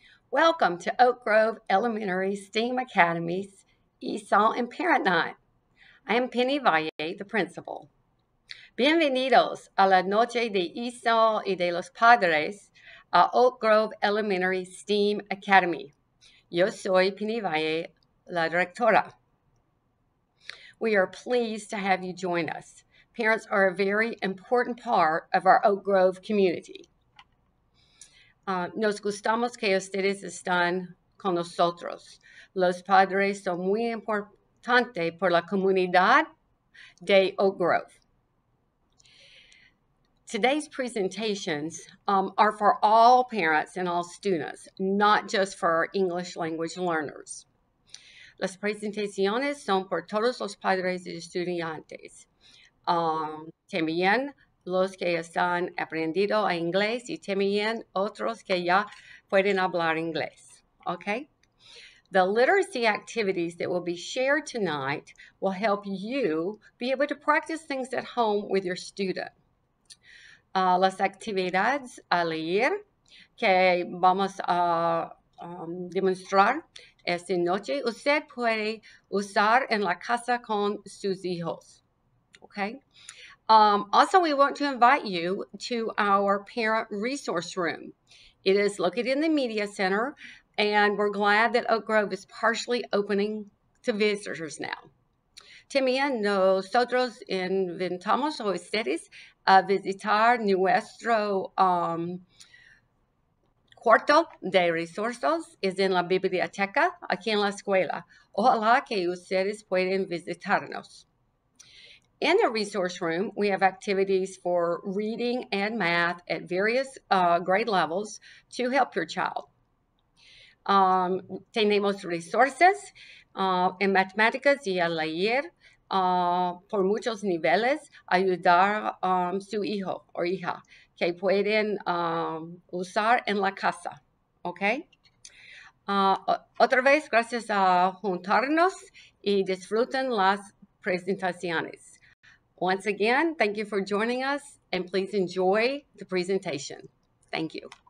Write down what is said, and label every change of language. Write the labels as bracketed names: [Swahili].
[English] Welcome to Oak Grove Elementary STEAM Academy's ESOL and ParentNot. I am Penny Valle, the principal. [Spanish] Bienvenidos a la noche de ESOL y de los padres a Oak Grove Elementary STEAM Academy. Yo soy Penny Valle, la directora. [English] We are pleased to have you join us. Parents are a very important part of our Oak Grove community. [Spanish] Nos gustamos que ustedes están con nosotros. Los padres son muy importantes por la comunidad de Oak Grove. [English] Today's presentations are for all parents and all students, not just for our English language learners. [Spanish] Las presentaciones son por todos los padres y estudiantes. También los que están aprendiendo inglés y también otros que ya pueden hablar inglés. [English] Okay? The literacy activities that will be shared tonight will help you be able to practice things at home with your student. [Spanish] Las actividades a leer que vamos a demostrar esta noche, usted puede usar en la casa con sus hijos. [English] Okay? Also, we want to invite you to our parent resource room. It is located in the media center, and we're glad that Oak Grove is partially opening to visitors now. [Spanish] También nosotros invitamos a ustedes a visitar nuestro cuarto de recursos. Es en la biblioteca aquí en la escuela. Ojalá que ustedes puedan visitarnos. [English] In the resource room, we have activities for reading and math at various grade levels to help your child. [Spanish] Tenemos resources en matemáticas y a leer por muchos niveles ayudar su hijo o hija que pueden usar en la casa. Okay? Otra vez, gracias a juntarnos y disfruten las presentaciones. [English] Once again, thank you for joining us, and please enjoy the presentation. Thank you.